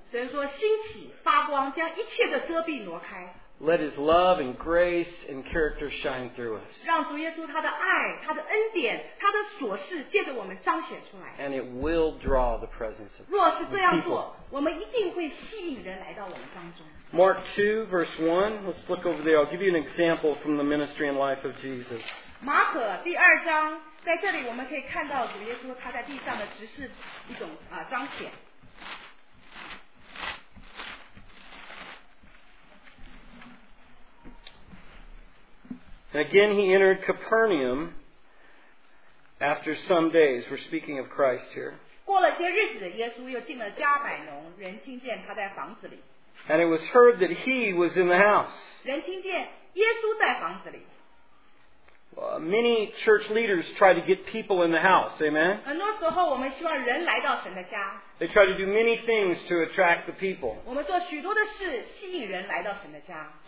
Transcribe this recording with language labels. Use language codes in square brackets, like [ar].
[zh] 神说兴起，发光，将一切的遮蔽挪开。 [en] Let his love and grace and character shine through us. [zh] 让主耶稣他的爱、他的恩典、他的所事借着我们彰显出来。 [en] And it will draw the presence of [zh] 若是这样做，我们一定会吸引人来到我们当中。 [en] Mark 2, verse 1. Let's look over there. I'll give you an example from the ministry and life of Jesus. [zh] 马可第二章，在这里我们可以看到主耶稣他在地上的执事一种彰显。 [en] Again, he entered Capernaum after some days. We're speaking of Christ here. [zh] 过了些日子，耶稣又进了加百农，人听见他在房子里。 [en] And it was heard that he was in the house. [zh] 人听见耶稣在房子里。 [en] Many church leaders try to get people in the house, amen? [zh] 很多时候我们希望人来到神的家。 [en] They try to do many things to attract the people. [zh] 我们做许多的事吸引人来到神的家。